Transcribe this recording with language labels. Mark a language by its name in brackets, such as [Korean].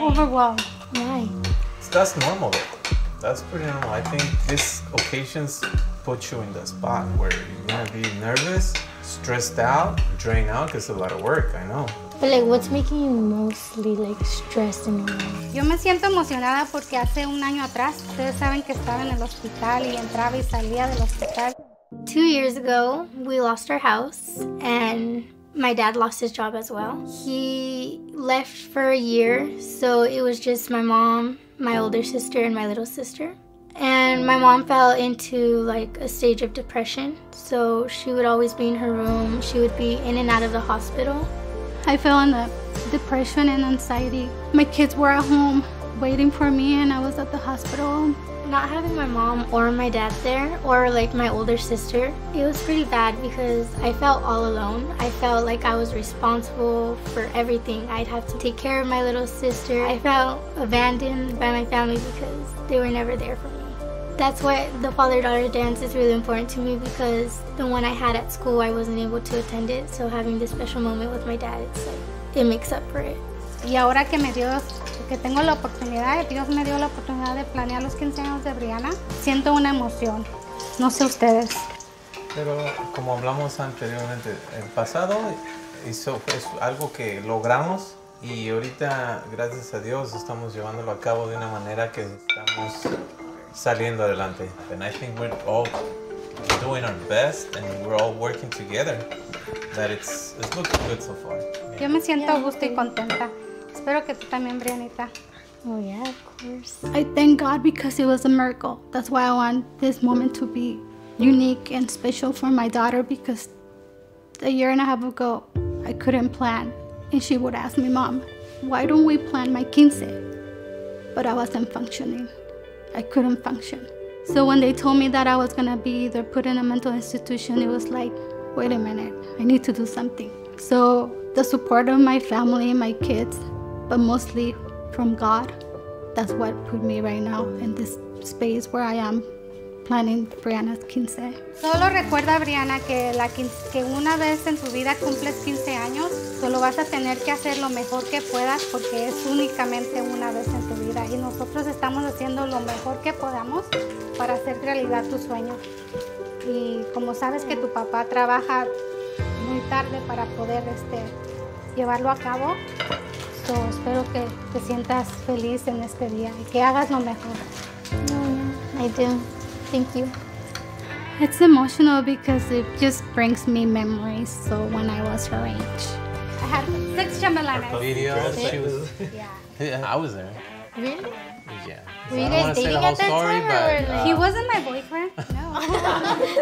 [English] Overwhelmed. Why? That's normal. that's pretty normal. I think these occasions put you in the spot where you're gonna be nervous, stressed out, drained out, because it's a lot of work, I know. But like, what's making you mostly like stressed in your life? [Spanish] Yo me siento emocionada porque hace un año atrás, ustedes saben que estaba en el hospital y entraba y salía del hospital. [English] 2 years ago, we lost our house and my dad lost his job as well. He left for a year, so it was just my mom, my older sister, and my little sister. And my mom fell into like a stage of depression, so she would always be in her room. She would be in and out of the hospital. I fell in a depression and anxiety. My kids were at home waiting for me and I was at the hospital. Not having my mom or my dad there, or like my older sister, it was pretty bad because I felt all alone. I felt like I was responsible for everything. I'd have to take care of my little sister. I felt abandoned by my family because they were never there for me. That's why the father-daughter dance is really important to me, because the one I had at school, I wasn't able to attend it. So having this special moment with my dad, it's like, it makes up for it. [Spanish] Y ahora que me dio, que tengo la oportunidad, Dios me dio la oportunidad de planear los 15 años de Brianna, siento una emoción. No sé ustedes. Pero como hablamos anteriormente, el pasado hizo, es algo que logramos y ahorita, gracias a Dios, estamos llevándolo a cabo de una manera que estamos saliendo adelante. [English] And I think we're all doing our best and we're all working together. That it's looking good so far. [Spanish] Yeah. Yo me siento a gusto y contenta. Espero que tú también, Brianita. [English] Oh yeah, of course. I thank God because it was a miracle. That's why I want this moment to be unique and special for my daughter, because a year and a half ago, I couldn't plan. And she would ask me, Mom, why don't we plan my quince? But I wasn't functioning. I couldn't function. So when they told me that I was gonna be either put in a mental institution, it was like, wait a minute, I need to do something. So the support of my family, my kids, but mostly from God, that's what put me right now in this space where I am planning Brianna's quince. [Spanish] Solo recuerda, Brianna, que, la quince, que una vez en tu vida cumples 15 años, solo vas a tener que hacer lo mejor que puedas porque es únicamente una vez en tu vida. Y nosotros estamos haciendo lo mejor que podamos para hacer realidad tu sueño. Y como sabes que tu papá trabaja muy tarde para poder llevarlo a cabo, so, espero que te sientas feliz en este día y que hagas lo mejor. [English] Mm, I do. Thank you. It's emotional because it just brings me memories. So when I was her age, I had 6 chambelanas. Yeah, I was there. Really? Yeah. Were you guys dating at that story, time? But, he wasn't my boyfriend. No.